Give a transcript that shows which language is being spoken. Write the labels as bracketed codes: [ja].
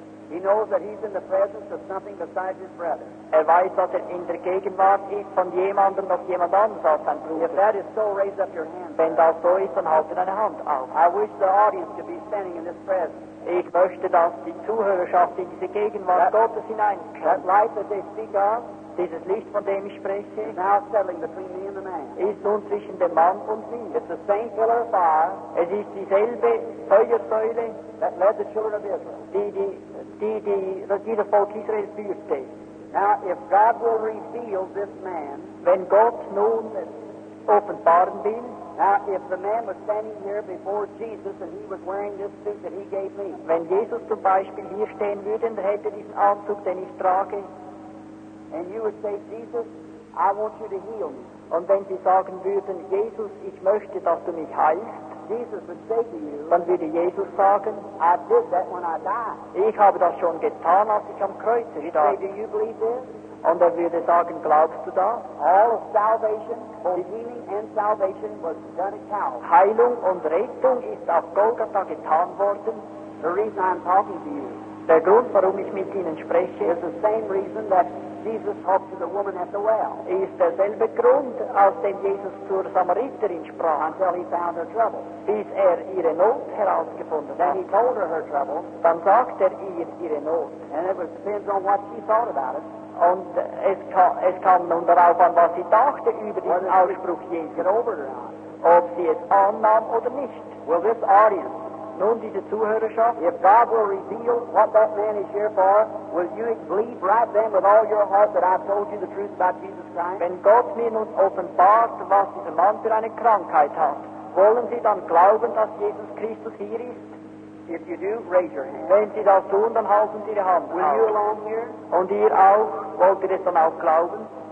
[en] He knows that he's in the presence of something besides his brother. [de] Er weiß, dass in der Gegenwart ist von jemandem, dass jemand anders als sein Bruder. [en] If that is so, raise up your hand. [de] Wenn das so ist, dann halte deine Hand auf. [en] I wish the audience could be standing in this presence. [de] Ich möchte, dass die Zuhörerschaft in diese Gegenwart Gottes hineinkommt. [en] That light that they speak of. [de] Dieses Licht, von dem ich spreche. [en] Is now settling between me and the man. [de] Ist nun zwischen dem Mann und mir. [en] It's the same pillar of fire. [de] Es ist dieselbe Feuersäule. [en] That led the children of Israel. [de] Die das Volk Israel führte. [en] Now, if God will reveal this man, [de] wenn Gott nun offenbaren will, [en] now if the man was standing here before Jesus and he was wearing this suit that he gave me, [de] wenn Jesus zum Beispiel hier stehen würde und hätte diesen Anzug, den ich trage, [en] and you would say, Jesus, I want you to heal me. [de] Und wenn sie sagen würden, Jesus, ich möchte, dass du mich heilst. [en] Jesus would say to you, [de] dann würde Jesus sagen, [en] I did that when I died. [de] Ich habe das schon getan, als ich am Kreuz starb. [en] Say, do you believe this? [de] Und würde sagen, glaubst du das? [en] All of salvation, both healing and salvation, was done at Calvary. [de] Heilung und Rettung ist auf Golgatha getan worden. [en] The reason I'm talking to you, [de] der Grund, warum ich mit Ihnen spreche, [en] is the same reason that Jesus talked to the woman at the well. [de] Ist derselbe Grund, aus dem Jesus zur Samariterin sprach. [en] Until he found her trouble. [de] Bis ihre Not herausgefunden hat. [en] Then he told her trouble. [de] Dann sagt ihre Not. [en] And it was depends on what she thought about it. [de] Und es kam nun darauf an, was sie dachte über diesen Ausspruch Jesus. [en] Get over it or not. [de] Ob sie es annahm oder nicht. [en] Well, this audience. [de] Nun, diese Zuhörerschaft, [en] if God will reveal what that man is here for, will you believe right then with all your heart that I've told you the truth about Jesus Christ? [de] Wenn Gott mir nun offenbart, was dieser Mann für eine Krankheit hat, wollen Sie dann glauben, dass Jesus Christus hier ist? [en] If you do, raise your hand. [de] Wenn Sie das tun, dann halten Sie Ihre Hand [en] will [de] auf. [en] You along here? [de] Und ihr auch, wollt ihr es dann auch glauben?